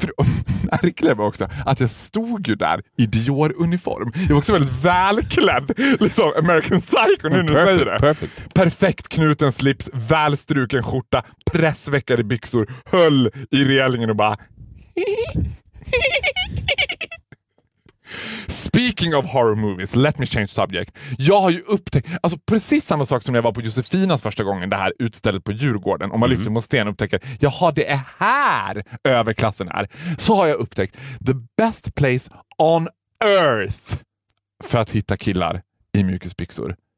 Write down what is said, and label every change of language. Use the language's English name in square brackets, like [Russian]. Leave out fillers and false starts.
[Swedish] För det märkliga var också att jag stod ju där i Dior-uniform. Jag var också väldigt välklädd, liksom American Psycho nu när du säger det. Perfekt knuten slips, välstruken skjorta, pressveckade byxor, höll i relingen och bara... [English] Speaking of horror movies, let me change subject. [Swedish] Jag har ju upptäckt, alltså precis samma sak som när jag var på Josefinas första gången, det här utstället på Djurgården, om man lyfter mot sten och upptäcker, jaha, det är här överklassen är. Så har jag upptäckt [English] the best place on earth [Swedish] för att hitta killar i mjukisbyxor.